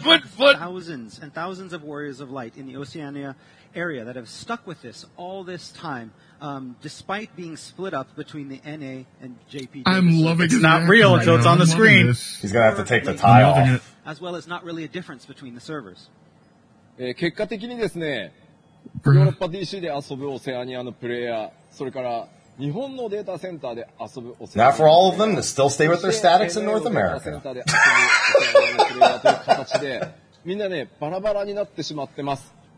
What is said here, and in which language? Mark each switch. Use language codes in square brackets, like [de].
[en] Thousands and thousands of Warriors of Light in the Oceania area that have stuck with this all this time, despite being split up between the NA and JP. I'm loving it. It's not real until it's on the screen. He's going to have to take the tie off. As well as not really a difference between the servers. [ja] 結果的にですね、ヨーロッパ DC で遊ぶオセアニアのプレイヤー、それから日本のデータセンターで遊ぶオセアニア。 [en] Not for all of them to still stay with their statics in North America. [ja] みんなね、バラバラになってしまってます。